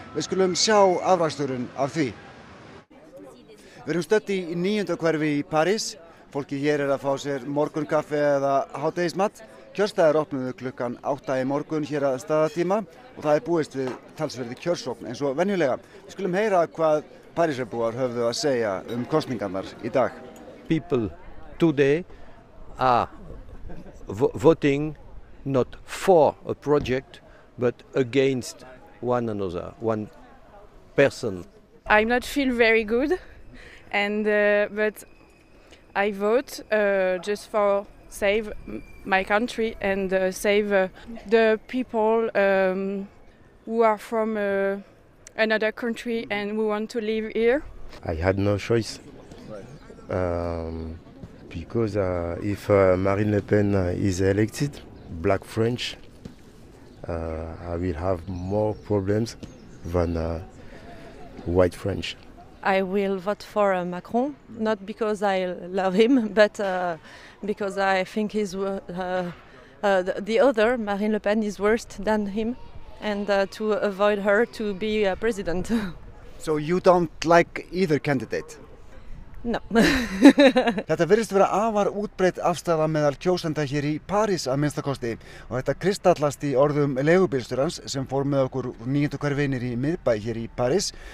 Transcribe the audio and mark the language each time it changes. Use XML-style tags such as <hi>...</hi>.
<is>Við skulum sjá afraksturinn af því. Við erum stödd í 9. hverfi í París. Fólkið hér að fá sér morgunkaffi eða hádegismat. Kjörstaðir opnuðu klukkan 8 í morgun hér að staðatíma og það búist við talsverði kjörsókn eins og venjulega. Við skulum heyra hvað Parísarbúar höfðu að segja kosningarnar í dag.</is> <en>People today are voting not for a project but against one another, one person. I'm not feel very good. And but I vote just for save my country and save the people who are from another country and who want to live here. I had no choice because if Marine Le Pen is elected, black French, I will have more problems than white French. I will vote for Macron, not because I love him, but because I think he's the other, Marine Le Pen, is worse than him, and to avoid her to be a president. So you don't like either candidate? No.</en> <is>Þetta virðist vera afar útbreitt afstaða meðal kjósenda hér í París að minnsta kosti og þetta kristallast í orðum leigubílstjórans sem fór með okkur 9. hverfinir í miðbæ hér í París.</is>